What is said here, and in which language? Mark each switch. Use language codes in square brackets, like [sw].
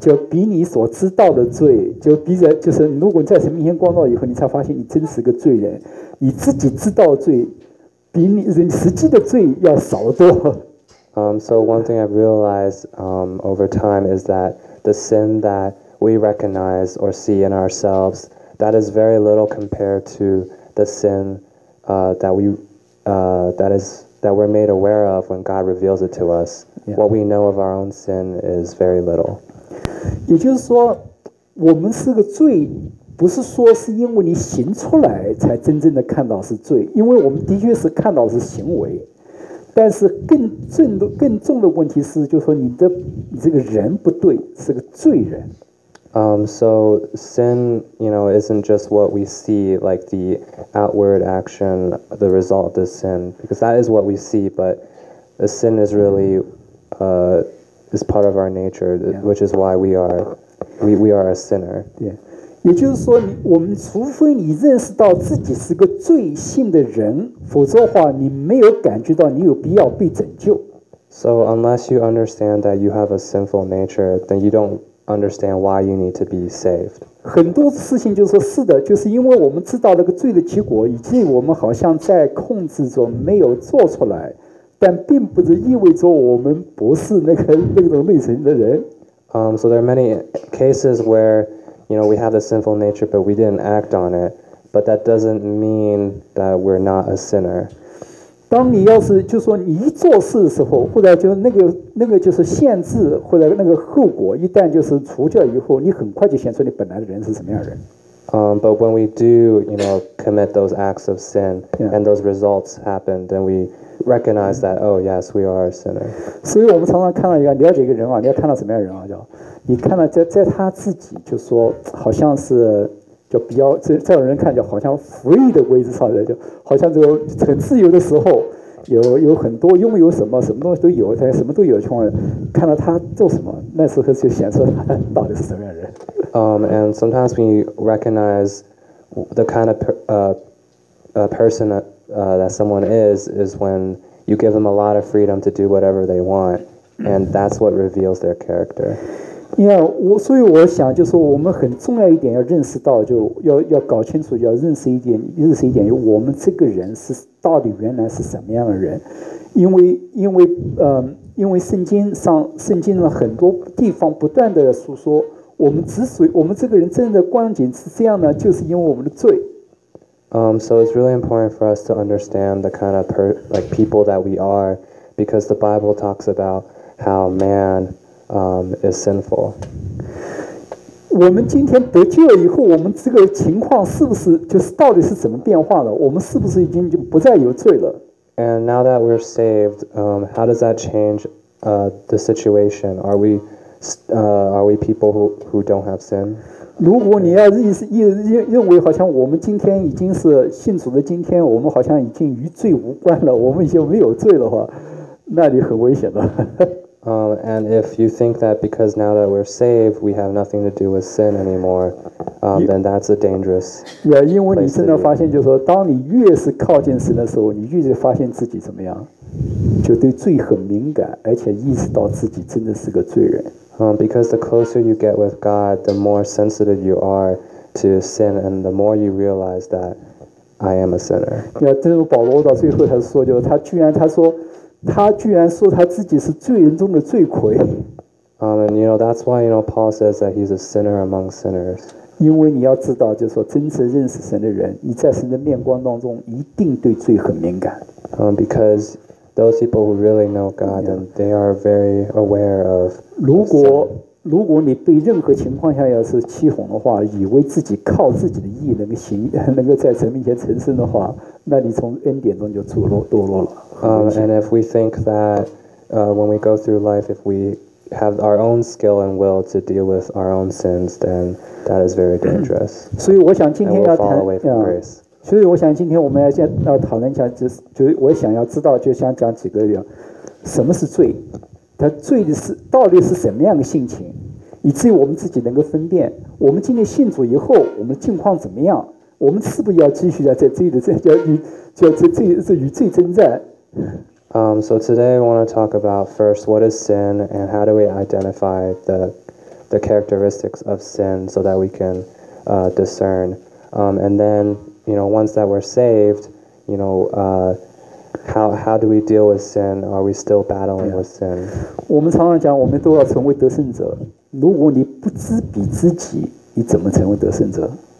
[zh] 比你所知道的罪，就是如果你在神面前光照以后，你才发现你真是个罪人。你自己知道的罪，比你人实际的罪要少得多。 [en] So one thing I've realized, over time is that the sin that we recognize or see in ourselves, that is very little compared to the sin, that we're made aware of when God reveals it to us. Yeah. What we know of our own sin is very little. [zh] 也就是说，我们是个罪，不是说是因为你行出来才真正的看到是罪，因为我们的确是看到是行为。但是更重的问题是，就是说你这个人不对，是个罪人。 [en] So sin, you know, isn't just what we see, like the outward action, the result of the sin, because that is what we see, but the sin is really, is part of our nature, which is why we are a sinner. Yeah. [zh] 也就是说，我们除非你认识到自己是个罪性的人，否则的话，你没有感觉到你有必要被拯救。 [en] So unless you understand that you have a sinful nature, then you don't understand why you need to be saved. [zh] 很多事情就是说是的，就是因为我们知道那个罪的结果，以及我们好像在控制中没有做出来，但并不是意味着我们不是那种类型的人。 [en] So there are many cases where, you know, we have a sinful nature, but we didn't act on it. But that doesn't mean that we're not a sinner. [zh] 当你要是就是说你一做事的时候，或者就是那个就是限制或者那个后果，一旦就是除掉以后，你很快就显出你本来的人是什么样的人。 [en] But when we do, you know, commit those acts of sin, yeah. and those results happen, then we recognize that, oh yes, we are a sinner. [zh] 所以我们常常看到一个了解一个人啊，你要看到什么样的人啊，叫你看到在他自己就说好像是就比较在人看就好像 free 的位置上，就好像这个很自由的时候，有很多拥有什么什么东西都有，但什么都有的穷人看到他做什么，那时候就显出他到底是什么样的人。 [en] And sometimes we recognize the kind of person that someone is when you give them a lot of freedom to do whatever they want, and that's what reveals their character. Yeah, [zh] 所以我想就是我们很重要一点要认识到，就要搞清楚，要认识一点，我们这个人是到底原来是什么样的人，因为圣经的很多地方不断的诉说。我们这个人真的光景是这样呢，就是因为我们的罪。 [en] So it's really important for us to understand the kind of people that we are, because the Bible talks about how man is sinful. [zh] 我们今天得救以后，我们这个情况是不是就是到底是怎么变化了？我们是不是已经就不再有罪了 [en] ？And now that we're saved, how does that change the situation? Are we people who don't have sin? [zh] 如果你要认为好像我们今天已经是信主的今天，我们好像已经与罪无关了，我们已经没有罪的话，那你很危险的。 [en] And if you think that because now that we're saved, we have nothing to do with sin anymore, then that's a dangerous. Yeah, [zh] 因为你真的发现，就是说，当你越是靠近神的时候，你越发现自己怎么样，就对罪很敏感，而且意识到自己真的是个罪人。 [en] Because the closer you get with God, the more sensitive you are to sin, and the more you realize that I am a sinner. Yeah, [zh] 正如保罗到最后他说，就是他居然说他自己是罪人中的罪魁。 [en] And you know that's why you know Paul says that he's a sinner among sinners. [zh] 因为你要知道，就是说真正认识神的人，你在神的面光当中一定对罪很敏感。 [en] Because those people who really know God, and they are very aware of. [zh] 如果你被任何情况下要是欺哄的话，以为自己靠自己的义能够在神面前成圣的话，那你从恩典中就堕落了。 [en] And if we think that when we go through life, if we have our own skill and will to deal with our own sins, then that is very dangerous. [zh] 所以我想今天要谈，所以我想今天我们要先讨论一下，就我想要知道，就想讲几个点，什么是罪，它罪的是到底是什么样的性情，以至于我们自己能够分辨，我们今天信主以后我们的境况怎么样，我们是不是要继续在罪的这叫与罪征战。 [en] So today I want to talk about first what is sin and how do we identify the characteristics of sin so that we can discern. And then, you know, once that we're saved, you know, how do we deal with sin? Are we still battling with sin? [zh] 我们常常讲，我们都要成为得胜者。如果你不知彼知己，你怎么成为得胜者？